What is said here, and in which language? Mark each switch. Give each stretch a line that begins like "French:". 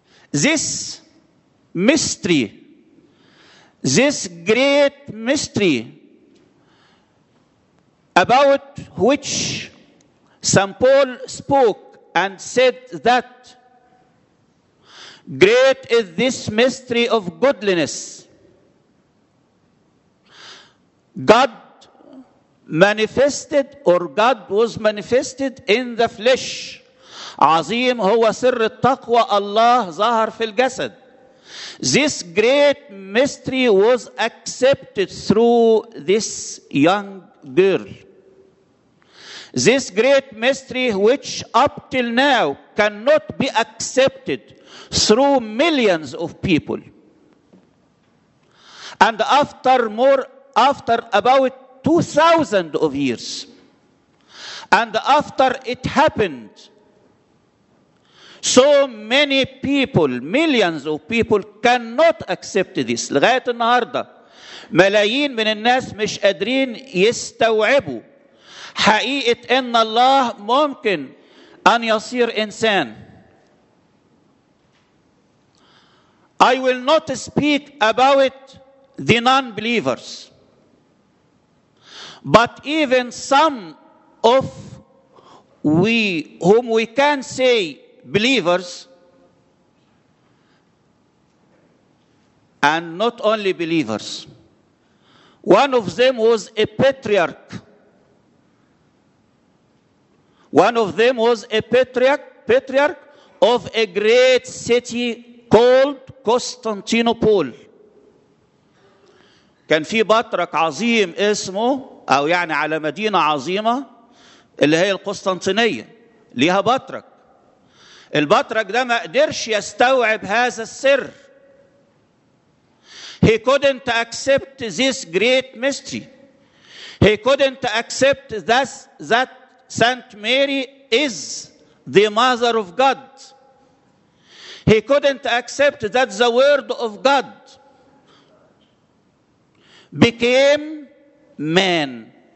English: This mystery, this great mystery about which Saint Paul spoke and said that great is this mystery of godliness. God manifested, or God was manifested in the flesh.
Arabic: عظيم هو سر التقوى، الله ظهر في الجسد.
English: This great mystery was accepted through this young girl. This great mystery, which up till now cannot be accepted through millions of people. And after about 2,000 of years, and after it happened So many people, millions of people cannot accept this.
Arabic: لغاية النهاردة ملايين من الناس مش قادرين يستوعبوا حقيقة أن الله ممكن أن يصير إنسان.
English: I will not speak about the non-believers. But even some of we whom we can say believers, and not only believers, one of them was a patriarch. One of them was a patriarch of a great city called Constantinople.
Arabic: كان في بطرك عظيم اسمه أو يعني على مدينة عظيمة اللي هي القسطنطينية ليها بطرك. البطرك ده ما قدرش يستوعب هذا السر.
English: He couldn't accept this great mystery. He couldn't accept that Saint Mary is the mother of God. He couldn't accept that the word of God became man.